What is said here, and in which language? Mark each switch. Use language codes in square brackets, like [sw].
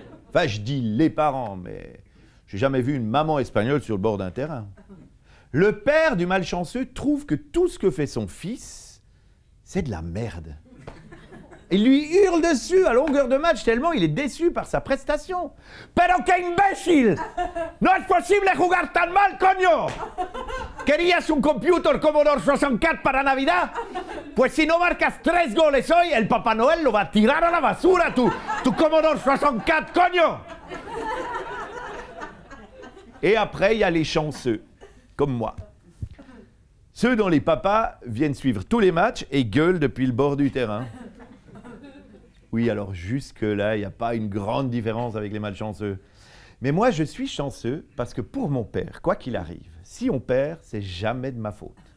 [fr] Enfin, je dis les parents, mais j'ai jamais vu une maman espagnole sur le bord d'un terrain. Le père du malchanceux trouve que tout ce que fait son fils, c'est de la merde. Il lui hurle dessus à longueur de match tellement il est déçu par sa prestation. [es] Pero qué imbécil! No es posible jugar tan mal, coño! ¿Querías un computer Commodore 64 para Navidad? Pues si no marcas tres goles hoy, el Papá Noel lo va a tirar a la basura, tu Commodore 64, coño! [fr] Et après, il y a les chanceux, comme moi. Ceux dont les papas viennent suivre tous les matchs et gueulent depuis le bord du terrain. Oui, alors jusque-là, il n'y a pas une grande différence avec les malchanceux. Mais moi, je suis chanceux parce que pour mon père, quoi qu'il arrive, si on perd, c'est jamais de ma faute.